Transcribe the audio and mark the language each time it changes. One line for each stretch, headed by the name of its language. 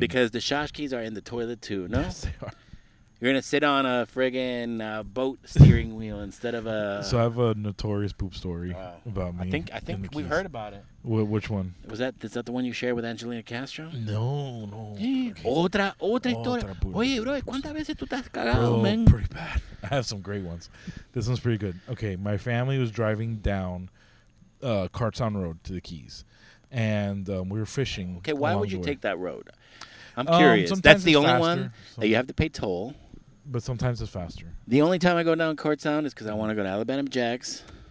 English: Because the shashkies are in the toilet too, no? Yes, they are. You're going to sit on a friggin' boat steering wheel instead of a... So I have a notorious poop story about me. I think we heard about it. Which one? Is that the one you shared with Angelina Castro? No.
Spanish: Okay. Otra historia. Oye, bro, ¿cuántas veces tú te has cagado, man?
English: Pretty bad. I have some great ones. This one's pretty good. Okay, my family was driving down Cartown Road to the Keys, and we were fishing. Okay, why would you take that road? I'm curious. That's the only one that you have to pay toll. But sometimes it's faster. The only time I go down Cartown is because I want to go to Alabama Jack's.